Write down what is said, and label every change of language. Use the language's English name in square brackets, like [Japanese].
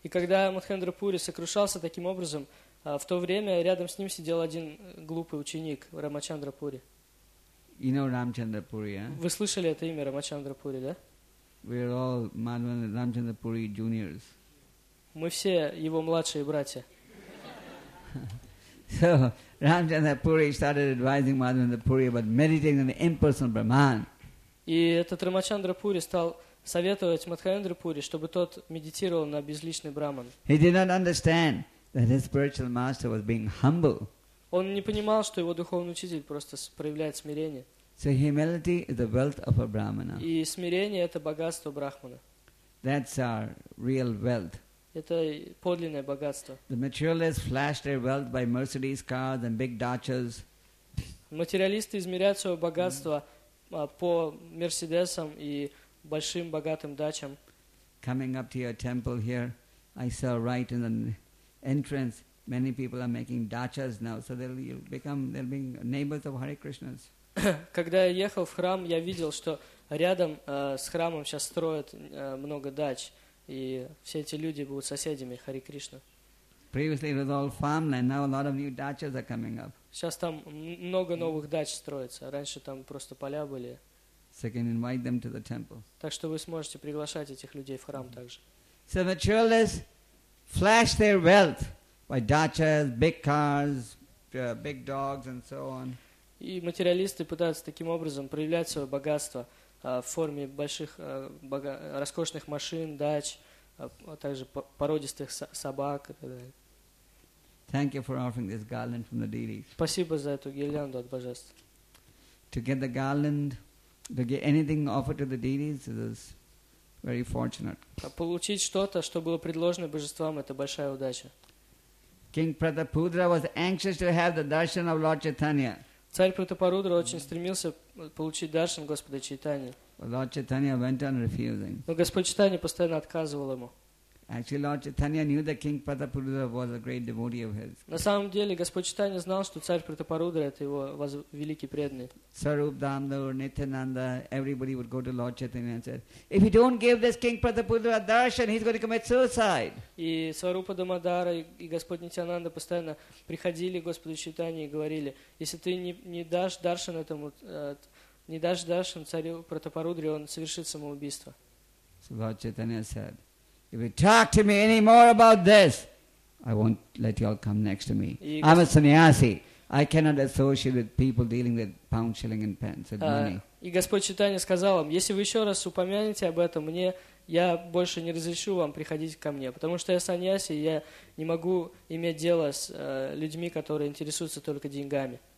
[Russian] И когда Мадхвендра Пури сокрушался таким образом, в то время рядом с ним сидел один глупый ученик, Рамачандра Пури. [English] You know Ramchandra Puri, huh? [Russian] Вы слышали это имя Рамачандра Пури, да? [English] We are all Madhvendra Ramchandra Puri juniors. [Russian] Мы все его младшие братья. [English] So Ramchandra Puri started advising Madhvendra Puri about meditating on the impersonal Brahman. [Russian] И этот Рамачандра Пури стал советовать Мадхвендра Пури, чтобы тот медитировал на безличный Брахман. [English] He did not understand that his spiritual master was being humble. [Russian] Он не понимал, что его духовный учитель просто проявляет смирение. [English] So humility is the wealth of a Brahmana. [Russian] И смирение это богатство Брахмана. [English] That's our real wealth. [Russian] Это подлинное богатство. [English] The materialists flash their wealth by Mercedes cars and big dachas. [Russian] Материалисты измеряют свое богатство по Мерседесам и большим богатым дачам. [English] Coming up to your temple here, I saw right in the entrance, many people are making dachas now, so they'll be neighbors of Hare Krishna's. [Russian] Когда я ехал в храм, я видел, что рядом с храмом сейчас строят много дач. И все эти люди будут соседями Хари Кришна. [English] Previously it was all farmland, now a lot of new dachas are coming up. [Russian] Сейчас там много новых дач строится. Раньше там просто поля были. [English] So you can invite them to the temple. [Russian] Так что вы сможете приглашать этих людей в храм также. [English] So materialists flash their wealth by dachas, big cars, big dogs and so on. [Russian] И материалисты пытаются таким образом проявлять свое богатство в форме больших роскошных машин, дач, а также породистых собак и так далее. [English] Thank you for offering this garland from the deities. [Russian] Спасибо за эту гирлянду от божеств. [English] To get the garland, to get anything offered to the deities, it is very fortunate. [Russian] Получить что-то, что было предложено божествам, это большая удача. [English] King Pratapudra was anxious to have the darshan of Lord Chaitanya. [Russian] Царь Пратапарудра очень стремился получить даршан Господа Чайтанья. Но Господь Чайтанья постоянно отказывал ему. На самом деле, Господь Чайтанья знал, что царь Пратапарудра — это его великий преданный. [English] Сваруп Дамдур, Нитянанда, everybody would go to Lord Chaitanya and said, if you don't give this King Pratapudra darshan, he's going to commit suicide. [Russian] И Сварупа Дамодара и Господь Нитянанда постоянно приходили к Господу Чайтанье и говорили, если ты не дашь даршан этому, не дашь даршан царю Пратапарудре, он совершит самоубийство. [English] So Lord Chaitanya said, if you talk to me any more about this, I won't let you all come next to me. I'm a sannyasi. I cannot associate with people dealing with pounds, shillings, and pence, with money. [Russian] И Господь Чайтанья сказал им, если вы еще раз упомянете об этом, мне я больше не разрешу вам приходить ко мне, потому что я саньяси, я не могу иметь дело с людьми, которые интересуются только деньгами.